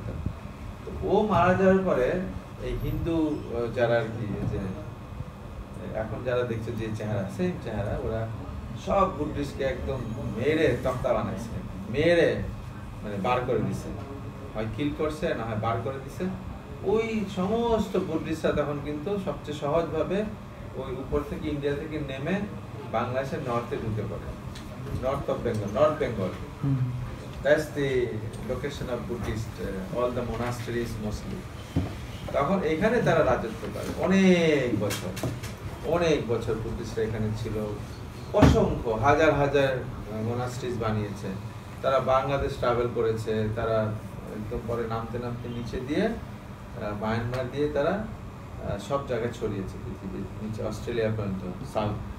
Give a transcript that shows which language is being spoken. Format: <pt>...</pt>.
<bn>তার তো ও মারা যাওয়ার পরে এই হিন্দু যারা আর কি যে এখন যারা দেখছে যে চেহারা সেম চেহারা, ওরা সব বুদ্ধিস্টকে একদম মেরে তক্তা বানাইছে, মেরে মানে বার করে দিছে, হয় কিল করছে না হয় বার করে দিছে। ওই সমস্ত বুদ্ধিস্টরা তখন কিন্তু সবচেয়ে সহজভাবে ওই উপর থেকে ইন্ডিয়া থেকে নেমে বাংলাদেশের নর্থে ঢুকে পড়ে,</bn> <en>north of Bengal,</en> <bn>north Bengal.</bn> <en>That's the location of Buddhist, all the monasteries mostly.</en> <bn>তখন এখানে তারা রাজত্ব করে অনেক বছর, অনেক বছর বুদ্ধিস্টরা এখানে ছিল, অসংখ্য হাজার হাজার মনাস্ট্রিজ বানিয়েছে, তারা বাংলাদেশ ট্রাভেল করেছে, তারা একদম পরে নামতে নামতে নিচে দিয়ে মায়ানমার দিয়ে তারা সব জায়গায় ছড়িয়েছে পৃথিবীর নিচে অস্ট্রেলিয়া পর্যন্ত সাউথ।</bn>